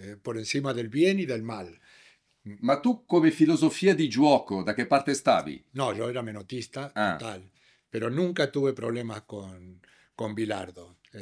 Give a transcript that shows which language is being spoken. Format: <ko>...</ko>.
<es>Por encima del bien y del mal.</es> <it>Ma tu come filosofia di gioco da che parte stavi?</it> <es>No, yo era menotista total, pero nunca tuve problemas con Bilardo.</es>